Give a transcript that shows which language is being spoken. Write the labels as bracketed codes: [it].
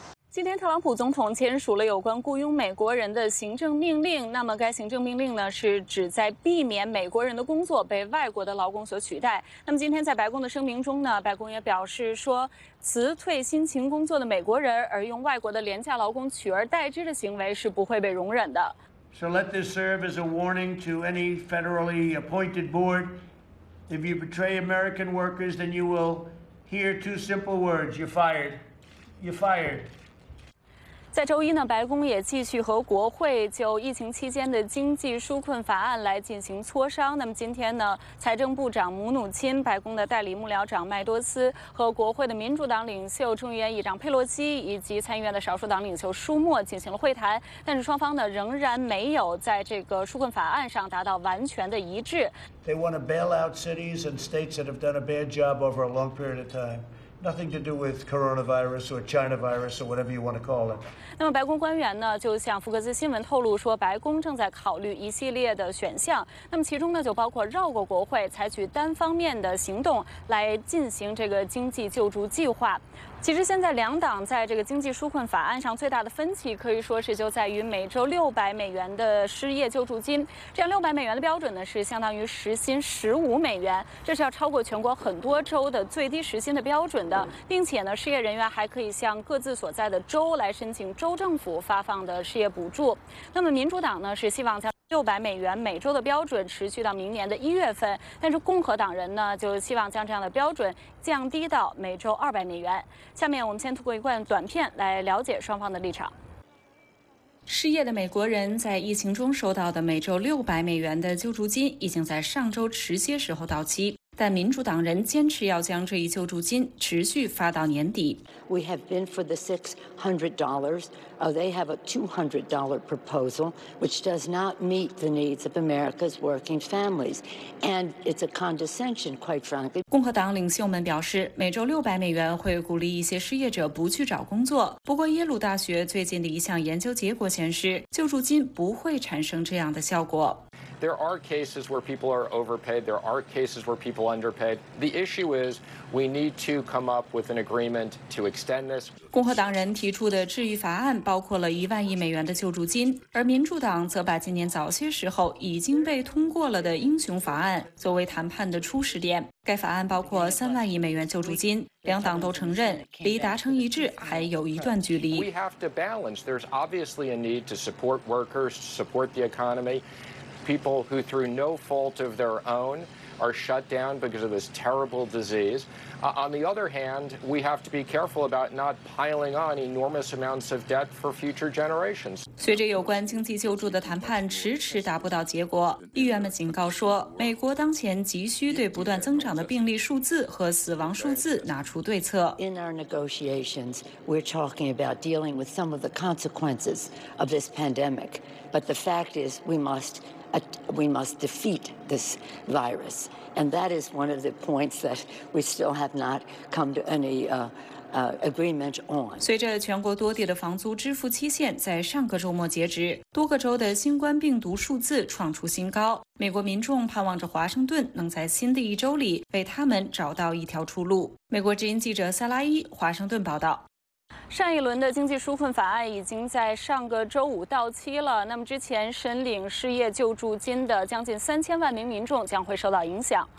[zh] 今天特朗普总统签署了有关雇佣美国人的行政命令，那么该行政命令呢是旨在避免美国人的工作被外国的劳工所取代。那么今天在白宫的声明中呢，白宫也表示说，辞退辛勤工作的美国人而用外国的廉价劳工取而代之的行为是不会被容忍的。 [en] So let this serve as a warning to any federally appointed board. If you betray American workers, then you will hear two simple words. You're fired. You're fired. [zh] 在周一呢，白宫也继续和国会就疫情期间的经济纾困法案来进行磋商。那么今天呢，财政部长姆努钦、白宫的代理幕僚长麦多斯和国会的民主党领袖众议院议长佩洛西以及参议院的少数党领袖舒默进行了会谈，但是双方呢仍然没有在这个纾困法案上达到完全的一致。 [en] They want to bail out cities and states that have done a bad job over a long period of time. Nothing to do with coronavirus or China virus or whatever you want to call it. [zh] 那么白宫官员呢，就向福克斯新闻透露说，白宫正在考虑一系列的选项。那么其中呢，就包括绕过国会，采取单方面的行动来进行这个经济救助计划。其实现在两党在这个经济纾困法案上最大的分歧，可以说是就在于每周600美元的失业救助金。这样600美元的标准呢，是相当于时薪15美元，这是要超过全国很多州的最低时薪的标准的，并且呢，失业人员还可以向各自所在的州来申请州政府发放的失业补助。那么民主党呢，是希望将600美元每周的标准持续到明年的1月份，但是共和党人呢，就希望将这样的标准降低到每周200美元。下面我们先通过一段短片来了解双方的立场。失业的美国人在疫情中收到的每周600美元的救助金已经在上周迟些时候到期，但民主党人坚持要将这一救助金持续发到年底。 [en] We have been for the $600. They have a $200 proposal, which does not meet the needs of America's working families, and it's a condescension, quite frankly. [zh] 共和党领袖们表示，每周600美元会鼓励一些失业者不去找工作。不过，耶鲁大学最近的一项研究结果显示，救助金不会产生这样的效果。 [en] There are cases where people are overpaid. There are cases where people underpaid. The issue is we need to come up with an agreement to extend this. [zh] 共和党人提出的治愈法案包括了10亿美元的救助金，而民主党则把今年早些时候已经被通过了的英雄法案作为谈判的初始点。该法案包括30亿美元救助金，两党都承认离达成一致还有一段距离。 [en] We have to balance. There's obviously a need to support workers, support the economy. People who through no fault of their own are shut down because of this terrible disease. On the other hand, we have to be careful about not piling on enormous amounts of debt for future generations. [zh] 随着有关经济救助的谈判迟迟达不到结果，议员们警告说，美国当前急需对不断增长的病例数字和死亡数字拿出对策。 [en] In our negotiations, we're talking about dealing with some of the consequences of this pandemic. But the fact is, we must defeat this virus. And that is one of the points that we still have not come to any agreement on. [zh] 随着全国多地的房租支付期限在上个周末截止，多个州的新冠病毒数字创出新高，美国民众盼望着华盛顿能在新的一周里为他们找到一条出路。美国之音记者萨拉伊，华盛顿报道。上一轮的经济纾困法案已经在上个周五到期了，那么之前申领失业救助金的将近3000万名民众将会受到影响。